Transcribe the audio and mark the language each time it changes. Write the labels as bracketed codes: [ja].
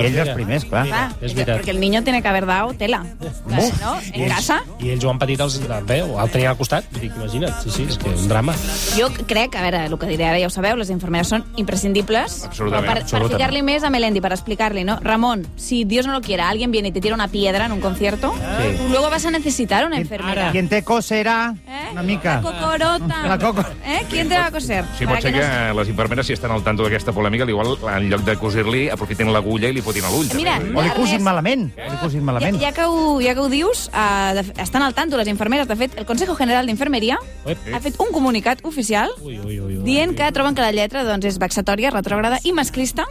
[ca] I ells els primers, clar. [es] Perquè el niño tiene que haber dado tela. En casa. [ca] I ells ho han patit, el tenien al costat. Imagina't, sí, és que és un drama. Jo crec, a veure, el que diré ara ja ho sabeu, les infermeres són imprescindibles. Per fijar-li més a Melendi, per explicar-li, no? [es] Ramon, si Dios no lo quiera, alguien viene y te tira una piedra en un concierto, sí. Luego vas a necesitar una enfermera. ¿Quién te coserá? [ca] Una mica. [es] La cocorota. ¿Quién te va a coser? [ca] Sí, pot ser que les infermeres, si estan al tanto d'aquesta polèmica, igual, en lloc de cosir-li, aprofiten l'agulla i li fotin a l'ull. O li cosin malament. Ja que ho dius, estan al tanto les infermeres. De fet, el Consejo General d'Infermeria ha fet un comunicat oficial dient que troben que la lletra, doncs, és vexatòria, retrògrada i masclista.